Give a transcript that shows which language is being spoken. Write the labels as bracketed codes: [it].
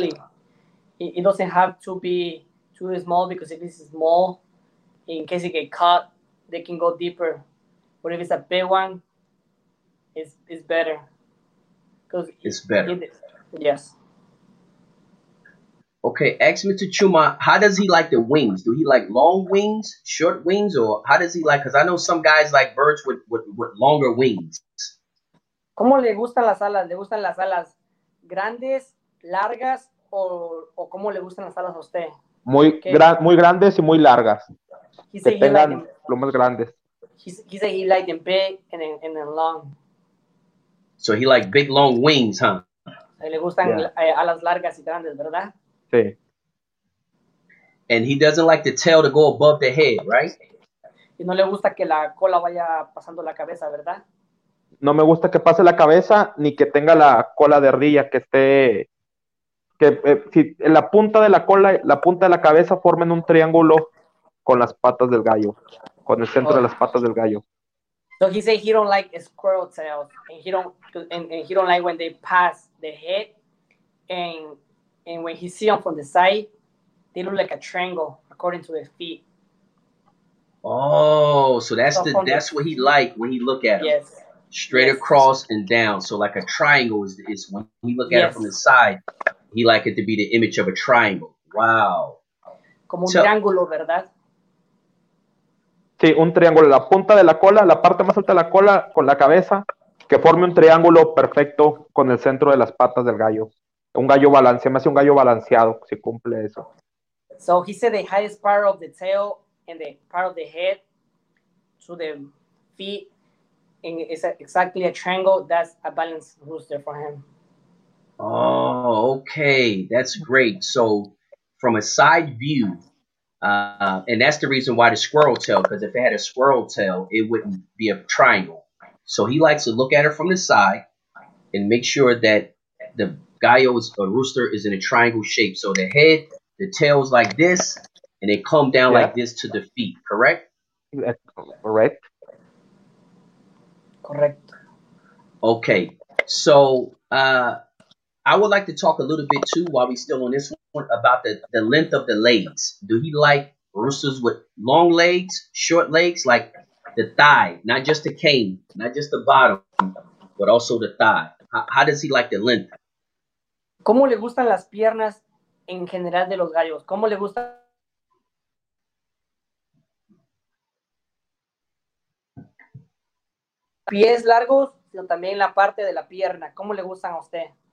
[en] Exactly. It doesn't have to be too small because if it's small, in case it get caught, they can go deeper. But if it's a big one, it's better. Because It's better. yes. Okay, ask Mr. Chuma, how does he like the wings? Do he like long wings, short wings, or how does he like? Because I know some guys like birds with longer wings. [es] ¿Cómo le gustan las alas? ¿Le gustan las alas grandes, largas o cómo le gustan las alas a usted? Muy ¿Qué? grandes y muy largas, [en] He [es] que [en] said he liked [es] tengan [en] them. [es] plumas grandes. [en] He said he liked them big and then long. So he like big long wings, huh? [es] Le gustan alas largas y grandes, ¿verdad? Sí. [en] And he doesn't like the tail to go above the head, right? [es] Y no le gusta que la cola vaya pasando la cabeza, ¿verdad? No me gusta que pase la cabeza ni que tenga la cola de ardilla, si en la punta de la cola, la punta de la cabeza formen un triángulo con las patas del gallo, con el centro de las patas del gallo. [en] So he said he don't like squirrel tails, and he don't like when they pass the head, and when he see them from the side, they look like a triangle according to their feet. Oh, so So from the that's what he like when he look at them. yes, Straight yes, across and down. So like a triangle is when he look at it from the yes. side, he like it to be the image of a triangle. Wow. [es] Como un [en] So [es] triángulo, ¿verdad? sí, un triángulo, la punta de la cola, la parte más alta de la cola con la cabeza, que forme un triángulo perfecto con el centro de las patas del gallo. Un gallo balanceado, más un gallo balanceado, si cumple eso. [en] So he said the highest part of the tail and the part of the head to the feet and it's exactly a triangle. That's a balanced rooster for him. Oh, okay. That's great. So from a side view, and that's the reason why the squirrel tail, because if it had a squirrel tail, it wouldn't be a triangle. So he likes to look at it from the side and make sure that the gallo's a rooster is in a triangle shape. So the head, the tail is like this, and they come down like this to the feet, correct? That's correct. [es] Correcto. [en] Okay. So I would like to talk a little bit too while we're still on this one. about the length of the legs. Do he like roosters with long legs, short legs, like the thigh, not just the cane, not just the bottom, but also the thigh? How does he like the length? [es] ¿Cómo le gustan las piernas en general de los gallos? ¿Cómo le gusta? ¿Pies largos, pero también la parte de la pierna? ¿Cómo le gustan a usted?